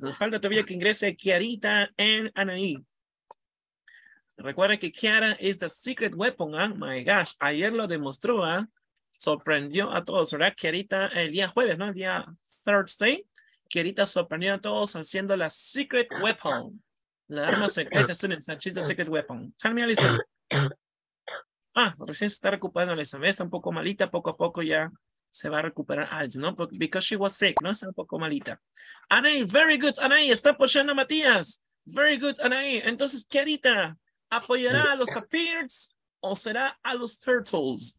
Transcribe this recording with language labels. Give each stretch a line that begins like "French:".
Spanish: Nos falta todavía que ingrese Kiarita and Anaí. Recuerda que Kiara
English: is the secret weapon.
Spanish: ¿Eh?
English: My gosh.
Spanish: Ayer lo demostró. ¿Eh? Sorprendió a todos, ¿verdad? Kiarita el día jueves, ¿no? El día Thursday. Kiarita sorprendió a todos haciendo la secret weapon. La arma secreta, students,
English: and she's the secret weapon. Tell me,
Spanish: Alison. Ah, recién se está recuperando Alison. Está un poco malita, poco a poco ya se va a recuperar Alison, ¿no?
English: Because she was sick, ¿no?
Spanish: Está un poco malita.
English: Anaí, very good, Anaí.
Spanish: Está apoyando a Matías.
English: Very good,
Spanish: Anaí. Entonces, Kiarita, ¿apoyará a los tapirs o será a los turtles?